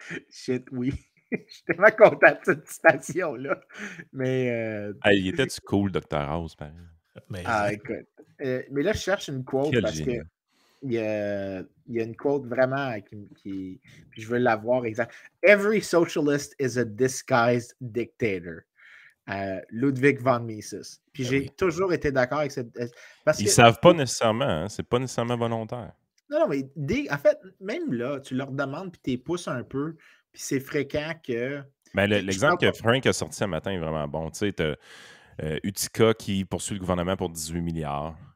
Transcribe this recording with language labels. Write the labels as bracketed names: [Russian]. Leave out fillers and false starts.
[French] Shit, oui. Je suis tellement content de cette citation-là. Mais Il était-tu cool, Dr House, par exemple? Mais là, je cherche une quote qu'il y a une quote vraiment qui je veux l'avoir exact. [English] Every socialist is a disguised dictator. Ludwig von Mises. [French] Puis toujours été d'accord avec cette. Parce ils ne savent pas nécessairement, hein? C'est pas nécessairement volontaire. Non, mais en fait, même là, tu leur demandes puis tu les pousses un peu, puis c'est fréquent que. Mais l'exemple que Frank a sorti ce matin est vraiment bon. Tu sais, Utica qui poursuit le gouvernement pour 18 milliards.